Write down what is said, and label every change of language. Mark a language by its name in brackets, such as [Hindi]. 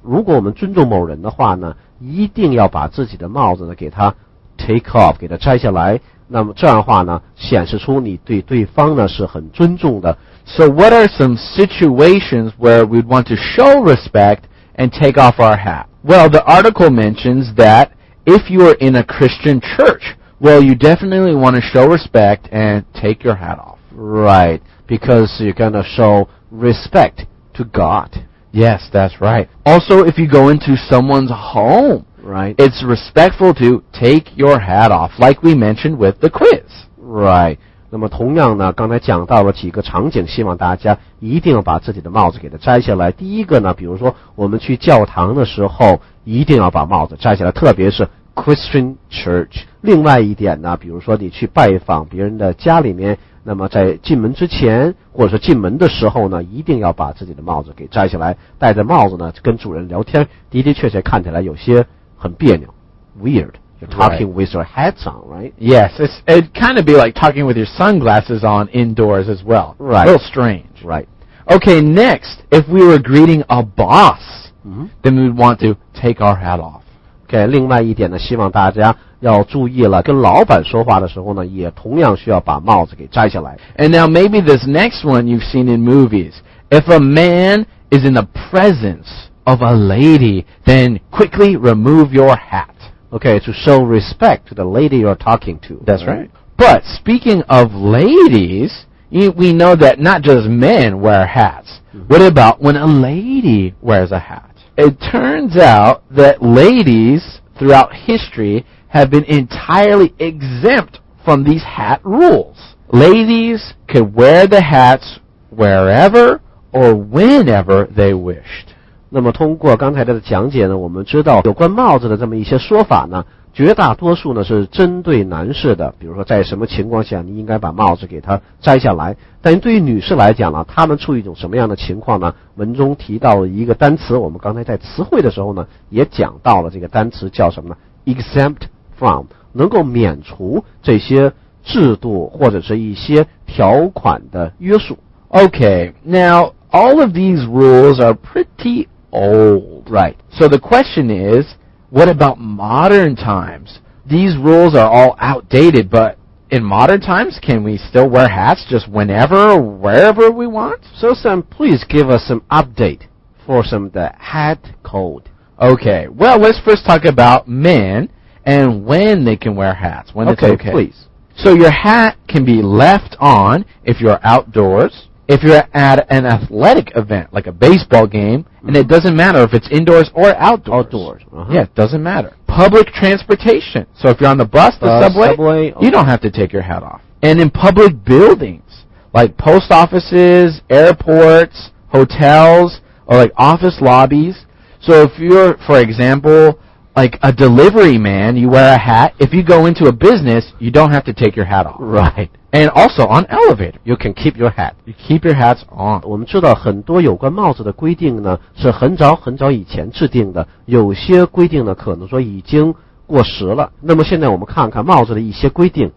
[Chinese] 如果我们尊重某人的话呢一定要把自己的帽子呢给他 [English] take off, [Chinese] 给他摘下来那么这样的话呢显示出你对对方呢是很尊重的。 [English] So what are some situations where we'd want to show respect and take off our hat? Well, the article mentions that If you are in a Christian church, well, you definitely want to show respect and take your hat off. Right, because you're going to show respect to God. Yes, that's right. Also, if you go into someone's home, right, it's respectful to take your hat off, like we mentioned with the quiz. Right. [Chinese] 那么同样呢，刚才讲到了几个场景，希望大家一定要把自己的帽子给它摘下来。第一个呢，比如说我们去教堂的时候一定要把帽子摘下来特别是 Christian Church 另外一点呢比如说你去拜访别人的家里面那么在进门之前或者说进门的时候呢一定要把自己的帽子给摘下来戴着帽子呢跟主人聊天的的确确看起来有些很别扭 [English] Weird You're talking with your hats on, right? Yes, it'd kind of be like talking with your sunglasses on indoors as well Right A little strange Right Okay, next If we were greeting a bossthen we'd want to take our hat off. [Chinese] Okay, 另外一点呢，希望大家要注意了，跟老板说话的时候呢，也同样需要把帽子给摘下来。 [English] And now maybe this next one you've seen in movies. If a man is in the presence of a lady, then quickly remove your hat. Okay, to show respect to the lady you're talking to. That's right. But speaking of ladies, we know that not just men wear hats. What about when a lady wears a hat? It turns out that ladies throughout history have been entirely exempt from these hat rules. Ladies could wear the hats wherever or whenever they wished. [Chinese] 那么通过刚才的讲解呢，我们知道有关帽子的这么一些说法呢，绝大多数呢是针对男士的，比如说在什么情况下你应该把帽子给他摘下来。但对于女士来讲呢，她们处于一种什么样的情况呢？文中提到了一个单词，我们刚才在词汇的时候呢，也讲到了这个单词叫什么呢 ？Exempt from， 能够免除这些制度或者是一些条款的约束。 [English] Okay, now all of these rules are pretty old, right? So the question is. What about modern times? These rules are all outdated, but in modern times, can we still wear hats just whenever, wherever we want? So, Sam, please give us some update for some of the hat code. Okay, well, let's first talk about men and when they can wear hats, when okay, it's okay. Please. So your hat can be left on if you're outdoors, if you're at an athletic event, like a baseball game,And it doesn't matter if it's indoors or outdoors. Outdoors. Uh-huh. Yeah, it doesn't matter. Public transportation. So if you're on the bus, the subway, okay. You don't have to take your hat off. And in public buildings, like post offices, airports, hotels, or like office lobbies. So if you're, for example, like a delivery man, you wear a hat. If you go into a business, you don't have to take your hat off. Right. And also on elevator, you can keep your hat. You keep your hats on. [Chinese] 我们知道很多有关帽子的规定呢，是很早很早以前制定的。有些规定呢，可能说已经过时了。那么现在我们看看帽子的一些规定。